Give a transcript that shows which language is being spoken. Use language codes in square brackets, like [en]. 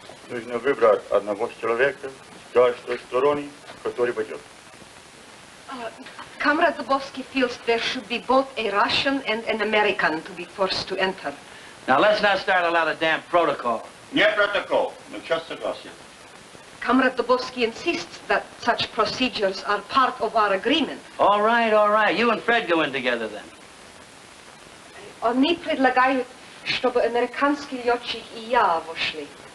[ru] Нужно выбрать одного человека с каждой стороны, который пойдет. [en] Comrade Dubovsky feels there should be both a Russian and an American to be forced to enter. Now let's not start a lot of damn protocol. [ru] Не протокол, но сейчас согласен. [en] Comrade Dubovsky insists that such procedures are part of our agreement. All right, all right. You and Fred go in together then. [ru] Они предлагают, чтобы американский летчик и я вошли.